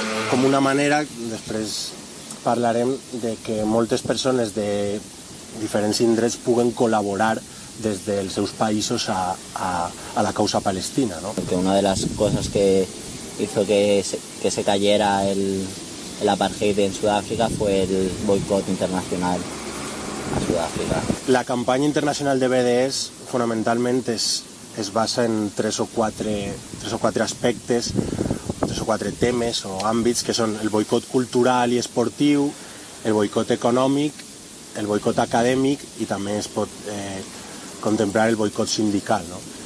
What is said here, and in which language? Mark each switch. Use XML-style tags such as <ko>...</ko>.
<ca>com una manera, després parlarem, de que moltes persones de diferents indrets puguen col·laborar des dels seus països a la causa palestina, no?</ca> <es>Que una de les coses que hizo que se cayera el apartheid en Sud-àfrica fue el boicot internacional a Sud-àfrica.</es> <ca>La campanya internacional de BDS fonamentalment es basa en tres o quatre aspectes, tres o quatre temes o àmbits, que són el boicot cultural i esportiu, el boicot econòmic, el boicot acadèmic i també es pot contemplar el boicot sindical, no?</ca>